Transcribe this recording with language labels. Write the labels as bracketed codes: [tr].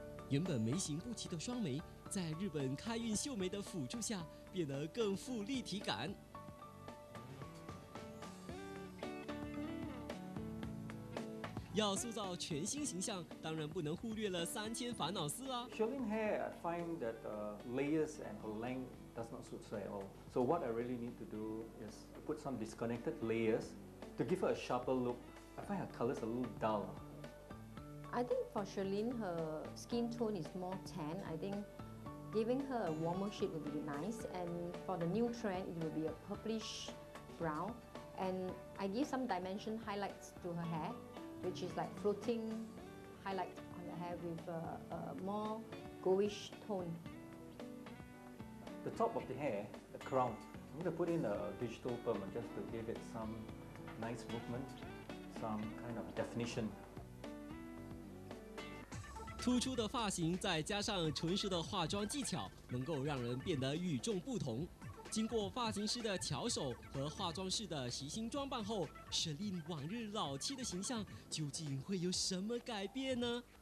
[zh] 原本眉形不齐的双眉，在日本开运秀眉的辅助下，变得更富立体感。要塑造全新形象，当然不能忽略了三千烦恼丝啊。 [en] Shaving hair, I find that the layers and the length does not suit her at all. So what I really need to do is put some disconnected layers to give her a sharper look. I find her colors a little dull. I think for Shaline, her skin tone is more tan. I think giving her a warmer shade would be nice. And for the new trend, it would be a purplish brown. And I give some dimension highlights to her hair. Which is like floating highlight on the hair with a more goldish tone. The top of the hair, the crown, I'm going to put in a digital perm just to give it some nice movement, some kind of definition. [zh] 突出的发型再加上纯熟的化妆技巧，能够让人变得与众不同。经过发型师的巧手和化妆师的悉心装扮后，舍令往日老气的形象究竟会有什么改变呢？